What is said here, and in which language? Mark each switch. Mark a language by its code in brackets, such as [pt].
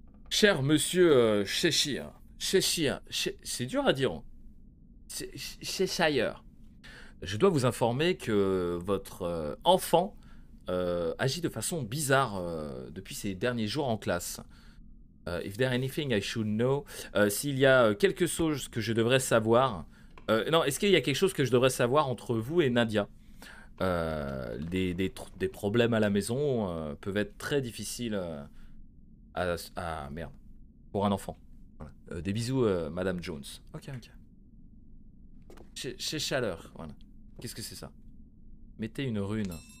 [fr] Cher monsieur Cheshire. Cheshire. C'est dur à dire. Cheshire. Je dois vous informer que votre enfant agit de façon bizarre depuis ses derniers jours en classe. [en] If there anything I should know. [fr] S'il y a quelque chose que je devrais savoir. Non, est-ce qu'il y a quelque chose que je devrais savoir entre vous et Nadia? Des problèmes à la maison peuvent être très difficiles merde, pour un enfant. Voilà. Des bisous, Madame Jones. Ok, ok. Chez Chaleur, voilà. Qu'est-ce que c'est ça? Mettez une rune.